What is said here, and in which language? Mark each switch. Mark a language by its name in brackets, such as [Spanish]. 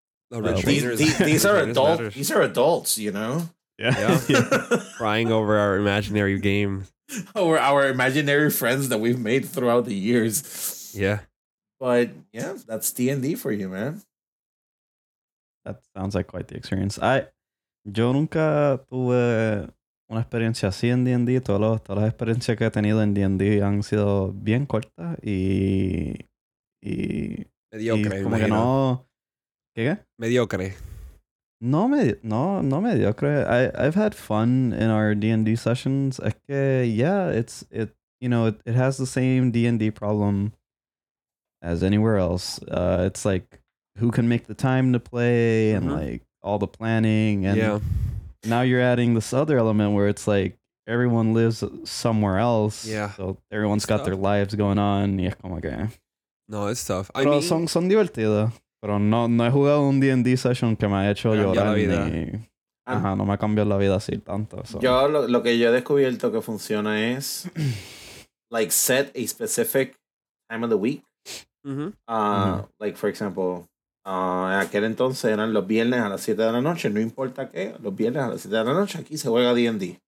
[English] These are adults. These are adults, you know? Yeah. Crying over our imaginary game. Over our imaginary friends that we've made throughout the years. Yeah. But yeah, that's D&D for you, man. That sounds like quite the experience. [Spanish] Yo nunca tuve una experiencia así en D&D. Todas las experiencias que he tenido en D&D han sido bien cortas y mediocre. Como que no. ¿Qué? Mediocre. No mediocre. [English] I've had fun in our D&D sessions. [Spanish] Es que, [English] yeah, it has the same D&D problem as anywhere else. It's like, who can make the time to play and like all the planning. And yeah. Now you're adding this other element where it's like everyone lives somewhere else. Yeah. So everyone's it's got tough. Their lives going on. [Spanish] Y es como que... [English] No, it's tough. [Spanish] Pero son divertidos. Pero no he jugado un D&D session que me ha hecho llorar. No me ha cambiado la vida así tanto. [English] So. [Spanish] Yo lo que yo he descubierto que funciona es like [English] set a specific time of the week. Like for example, [Spanish] en aquel entonces eran los viernes a las 7 de la noche, no importa qué, los viernes a las 7 de la noche aquí se juega D&D.